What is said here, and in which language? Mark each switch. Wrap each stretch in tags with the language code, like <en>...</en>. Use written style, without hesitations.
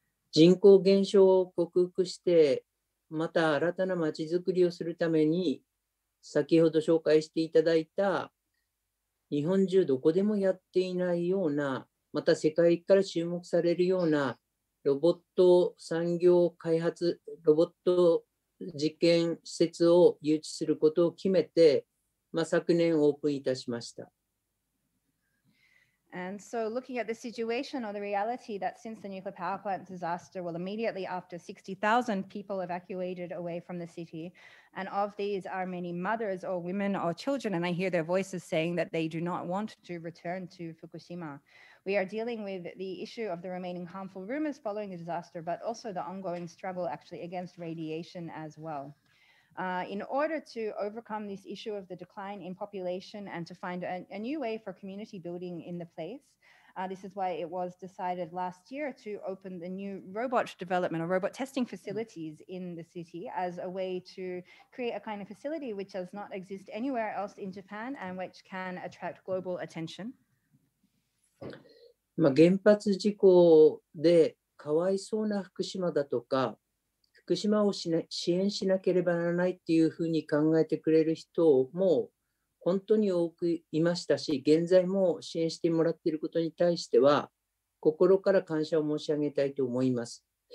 <ja>人口減少を克服して、また新たな街づくりをするために、先ほど紹介していただいた、日本中どこでもやっていないような、また世界から注目されるようなロボット産業開発、ロボット実験施設を誘致することを決めて、昨年オープンいたしました。</ja> <en>And so looking at the situation or the reality that since the nuclear power plant disaster, well, immediately after 60,000 people evacuated away from the city, and of these are many mothers or women or children, and I hear their voices saying that they do not want to return to Fukushima. We are dealing with the issue of the remaining harmful rumors following the disaster, but also the ongoing struggle actually against radiation as well. In order to overcome this issue of the decline in population and to find a new way for community building in the place, this is why it was decided last year to open the new robot development or robot testing facilities in the city as a way to create a kind of facility which does not exist anywhere else in Japan and which can attract global attention.</en> <ja>原発事故でかわいそうな福島だとか福島を支援しなければならないっていうふうに考えてくれる人も本当に多くいましたし、現在も支援してもらっていることに対しては心から感謝を申し上げたいと思います。</ja>